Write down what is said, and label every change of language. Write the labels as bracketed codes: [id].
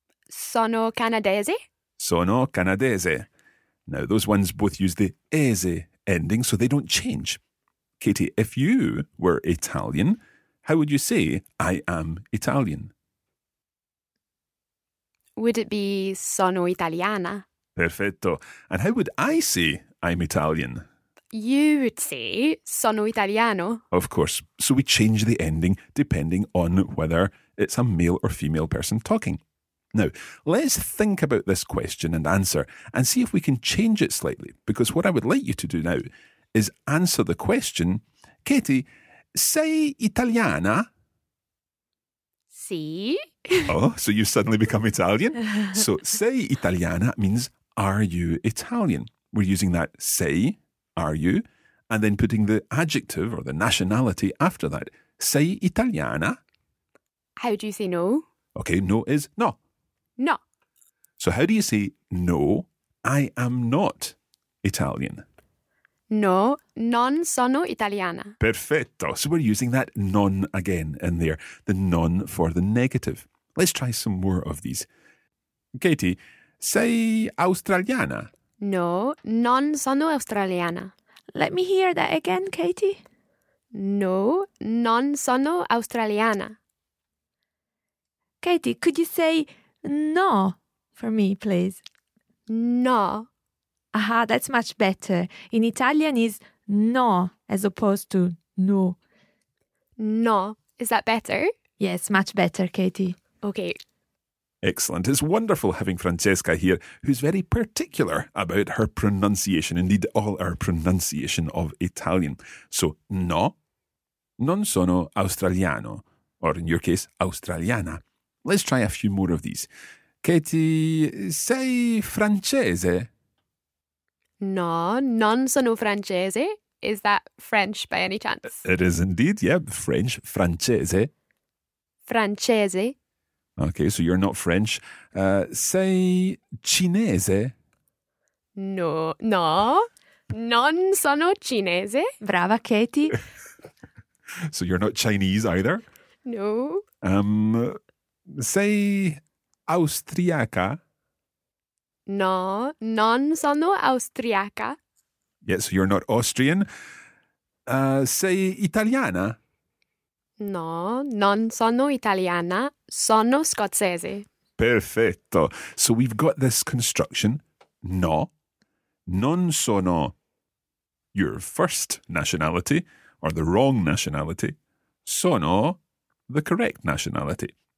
[it] Sono canadese. Sono canadese. [en] Now, those ones both use the ese ending, so they don't change. Katie, if you were Italian, how would you say, I am Italian? Would it be, [it] sono italiana? Perfetto. [en] And how would I say, I'm Italian? You would say, [it] sono italiano. [en] Of course. So we change the ending depending on whether it's a male or female person talking. Now, let's think about this question and answer and see if we can change it slightly. Because what I would like you to do now is answer the question, Katie, [it] sei italiana? Sì. [en] Oh, so you've suddenly become Italian? So, [it] sei italiana [en] means, are you Italian? We're using that sei, are you, and then putting the adjective or the nationality after that. [it] Sei italiana? [en] How do you say no? Okay, no is no. [it] No. [en] So how do you say, no, I am not Italian? [it] No, non sono italiana. Perfetto. [en] So we're using that non again in there, the non for the negative. Let's try some more of these. Katie, [it] sei australiana? No, non sono australiana. [en] Let me hear that again, Katie. [it] No, non sono australiana. [en] Katie, could you say no for me, please? [it] No. [en] Aha, that's much better. In Italian is no as opposed to no. No. Is that better? Yes, much better, Katie. Okay. Excellent. It's wonderful having Francesca here, who's very particular about her pronunciation, indeed all our pronunciation of Italian. So, [it] no, non sono australiano, [en] or in your case, australiana. Let's try a few more of these. Katie, [it] sei francese? No, non sono francese. [en] Is that French by any chance? It is indeed, yeah. French, francese. Francese. Okay, so you're not French. [it] Sei cinese? No, no, non sono cinese. Brava, Katie. [en] So you're not Chinese either? No. [it] Sei austriaca? No, non sono austriaca. [en] Yes, so you're not Austrian. [it] Sei italiana? No, non sono italiana, sono scozzese. Perfetto. [en] So we've got this construction, no, non sono your first nationality, or the wrong nationality, sono the correct nationality.